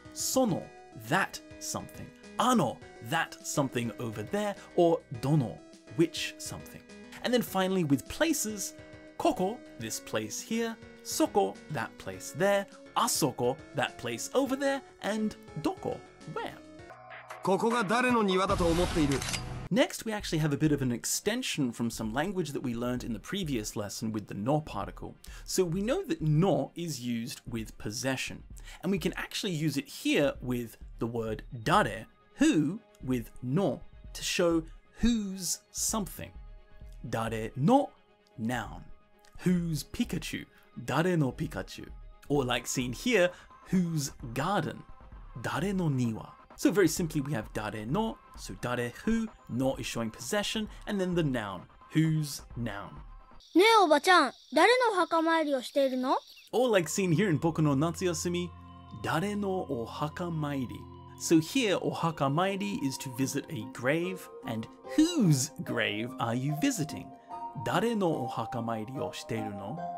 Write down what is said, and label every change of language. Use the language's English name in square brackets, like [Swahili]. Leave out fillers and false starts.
[English] その, that something, あの, that something over there, or どの, which something. And then finally with places, ここ, this place here, そこ, that place there, あそこ, that place over there, and どこ, where. [Japanese] ここが誰の庭だと思っている? [English] Next, we actually have a bit of an extension from some language that we learned in the previous lesson with the no particle. So we know that no is used with possession, and we can actually use it here with the word dare, who, with no, to show who's something. Dare no, noun. Who's Pikachu? Dare no Pikachu. Or like seen here, whose garden? Dare no niwa. So very simply, we have dare no, so dare who, no is showing possession, and then the noun, whose noun. [Japanese] ねえおばちゃん、誰の墓参りをしているの? [English] Or like seen here in 僕の夏休み, [Japanese] 誰のお墓参り? [English] So here, お墓参りis to visit a grave, and whose grave are you visiting? [Japanese] 誰のお墓参りをしているの?